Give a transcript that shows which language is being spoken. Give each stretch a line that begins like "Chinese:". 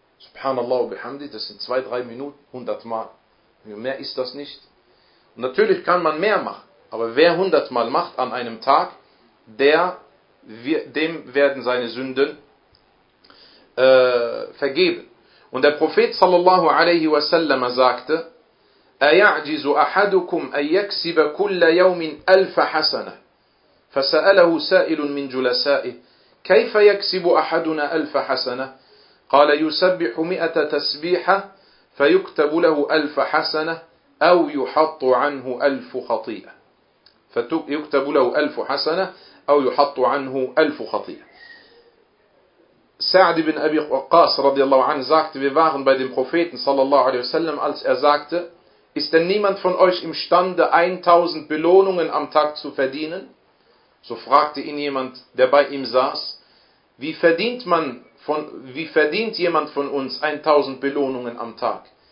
German: Subhanallah wa bihamdi, das sind 2-3 Minuten, 100 Mal. Mehr ist das nicht. Und natürlich kann man mehr machen. Aber wer 100 Mal macht an einem Tag, dem werden seine Sünden vergeben. Und der Prophet sallallahu alaihi wa sallam sagte,
Arabic: أَيَعْجِزُ أَحَدُكُمْ أَنْ يَكْسِبَ كُلَّ يَوْمٍ أَلْفَ حَسَنَةً فَسَأَلَهُ سَائِلٌ مِنْ جُلَسَائِهِ كيف يكسب أحدنا ألف حسنة؟ قال يسبح 100 تسبيحة فيكتب له 1000 حسنة أو يحط عنه 1000 خطيئة. فيكتب له 1000 حسنة أو يحط عنه 1000 خطيئة.
German: سعد بن أبي وقاص
Arabic: رضي الله عنه
German: sagte, wir waren bei dem Propheten
Arabic: صلى الله عليه وسلم,
German: als er sagte, ist denn niemand von euch imstande 1000 Belohnungen am Tag zu verdienen? So fragte ihn jemand, der bei ihm saß, wie verdient jemand von uns 1000 Belohnungen am Tag?